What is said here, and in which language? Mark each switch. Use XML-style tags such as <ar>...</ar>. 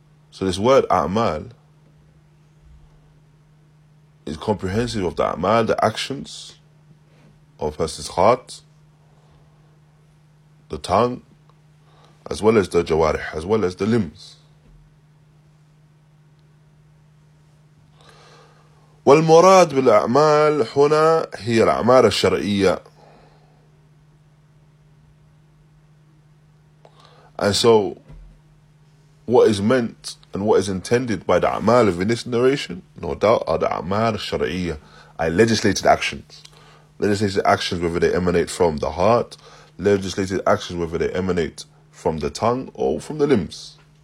<en>So this word a'mal is comprehensive of the a'mal, the actions of a person's heart, the tongue, as well as the jawarih, as well as the limbs.</en> <ar>والمراد بالأعمال هنا هي الأعمال الشرعية.</ar> <en>And so, what is meant and what is intended by the أعمال in this narration, no doubt, are the</en> <ar>أعمال الشرعية,</ar> <en>legislated actions. Legislated actions, whether they emanate from the heart, legislated actions, whether they emanate from the tongue or from the limbs.</en>